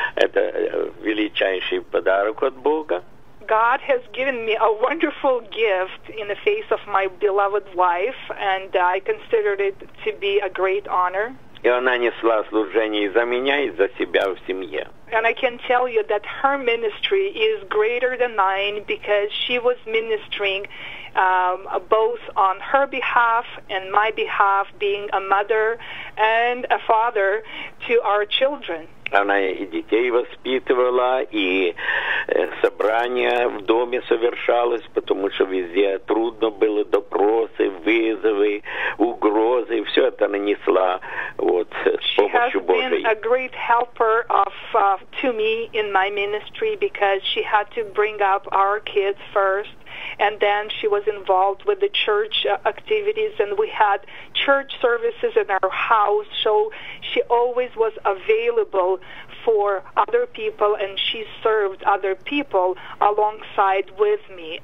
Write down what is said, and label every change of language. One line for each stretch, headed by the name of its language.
Russian: Это величайший подарок от Бога.
English: God has given me a wonderful gift in the face of my beloved wife, and I considered it to be a great honor.
Russian: И она несла служение за меня и за себя в семье.
English: And I can tell you that her ministry is greater than mine because she was ministering both on her behalf and my behalf, being a mother and a father to our children.
Russian: Она и детей воспитывала, и собрания в доме совершалось, потому что везде трудно было, допросы, вызовы, угрозы. Все это нанесла вот, с помощью Божией.
English: She has been a great helper to me in my ministry because she had to bring up our kids first. And then she was involved with the church activities, and we had church services in our house. So she always was available for other people, and she served other people alongside with me.